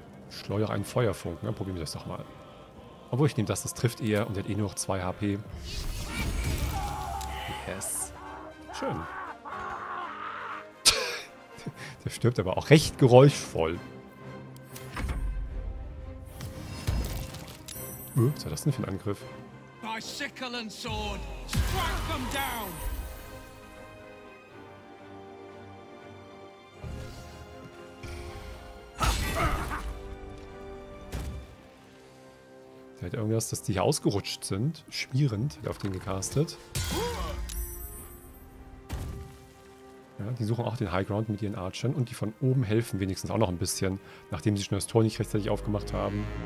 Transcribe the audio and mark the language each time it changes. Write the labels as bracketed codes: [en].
[de] Schleuer einen Feuerfunken, dann probieren wir das doch mal. Obwohl, ich nehme das trifft eher und hat eh nur noch 2 HP. [en] Yes. [de] Schön. Der stirbt aber auch recht geräuschvoll. Was war das denn für ein Angriff? [en] By sickle and sword, strike them down. [de] Vielleicht irgendwas, dass die hier ausgerutscht sind. Schmierend, hat er auf den gecastet. Ja, die suchen auch den Highground mit ihren Archern und die von oben helfen wenigstens auch noch ein bisschen, nachdem sie schon das Tor nicht rechtzeitig aufgemacht haben.